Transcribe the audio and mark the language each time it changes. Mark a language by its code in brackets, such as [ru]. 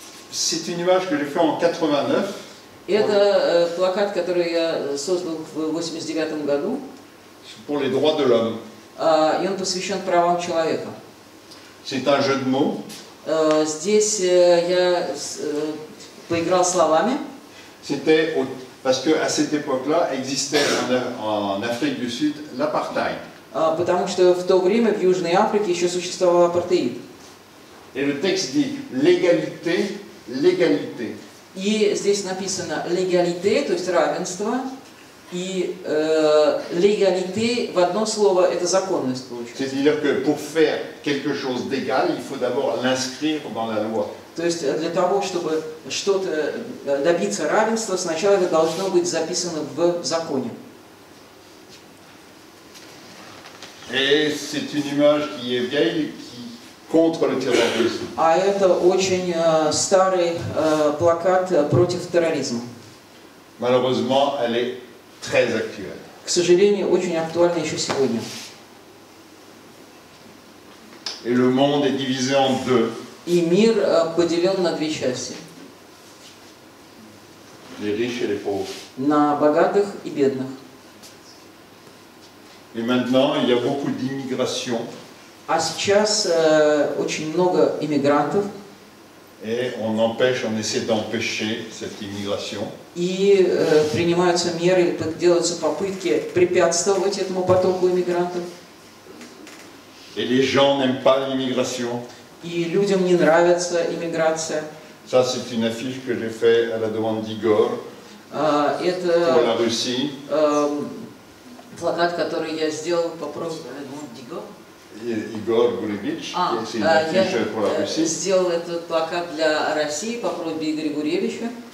[fr] C'est une image que j'ai fait en 89. [ru] Это плакат, который я создал в 89 году. [fr] Pour les droits de l'homme. [ru] И он посвящен правам человека. [fr] C'est un jeu de mots. [ru] Здесь я поиграл словами. [fr] C'était parce que à cette époque-là existait en Afrique du Sud l'apartheid. [ru] Потому что в то время в Южной Африке еще существовал апартеид. [fr] Et le texte dit l'égalité. L'égalité. [ru] И здесь написано «легалите», то есть равенство, и «легалите» в одно слово – это законность, получается. [fr] C'est-à-dire que pour faire quelque chose d'égal, il faut d'abord l'inscrire dans la loi. [ru] То есть для того, чтобы что-то добиться равенства, сначала это должно быть записано в законе. [fr] Et c'est une image qui est vieille, contre le terrorisme. [ru] А это очень старый плакат против терроризма. [fr] Malheureusement, elle est très actuelle. [ru] К сожалению, очень актуальна еще сегодня. [fr] Et le monde est divisé en deux. [ru] И мир поделен на две части. [fr] Les riches et les pauvres. [ru] На богатых и бедных. [fr] Et maintenant, il y a beaucoup d'immigration. [ru] А сейчас очень много иммигрантов. [fr] Et on empêche, on essaie d'empêcher cette immigration. [ru] И принимаются меры, делаются попытки препятствовать этому потоку иммигрантов. [fr] Et les gens n'aiment pas l'immigration. [ru] И людям не нравится иммиграция. [fr] Ça, c'est une affiche que j'ai fait à la demande d'Igor pour la Russie. [ru] Плакат, который я сделал по просьбе Игор. Игор Гуревич. Я сделал этот плакат для России по просьбе Игоря Гуревича.